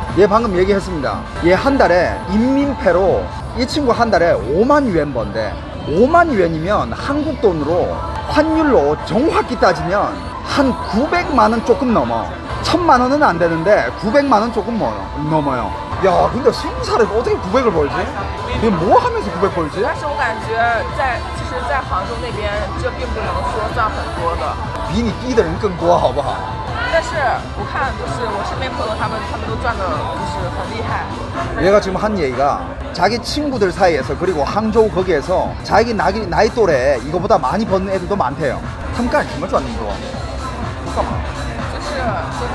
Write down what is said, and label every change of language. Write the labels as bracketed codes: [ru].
[ko] 얘 방금 얘기했습니다. 얘 한 달에 인민폐로 이 친구 한 달에 5만 위엔 번데. 5만 위엔이면 한국 돈으로 환율로 정확히 따지면 한 900만 원 조금 넘어. 천만 원은 안 되는데 900만 원 조금 넘어요. 야 근데 20살에 어떻게 900을 벌지? 얘 뭐 하면서 900 벌지? [zh] 但是我感觉在其实在杭州那边这并不能说赚很多的比你低的人更多好不好但是我看就是我身边朋友他们都赚的就是很厉害 [ko] 얘가 지금 한 얘기가 자기 친구들 사이에서 그리고 항저우 거기에서 자기 나이 또래 이거보다 많이 버는 애들도 많대요. 잠깐 정말 좋았는 거 잠깐만